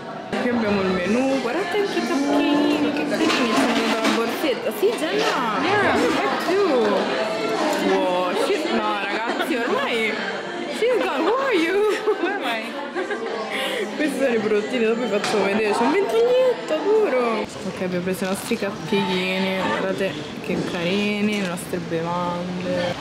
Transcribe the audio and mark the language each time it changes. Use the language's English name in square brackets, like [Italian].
[Italian] Abbiamo il menù, guardate anche i tappini, che carini, sono la borsetta. Sì, Jenna, [English] yeah, back to you. Wow, she's, [Italian] no ragazzi, ormai, [English] she's gone, who are you? [Italian] Questi sono i prodottini, dopo vi faccio vedere, c'è un ventaglietto, duro. Ok, abbiamo preso i nostri cappellini, guardate che carini, le nostre bevande.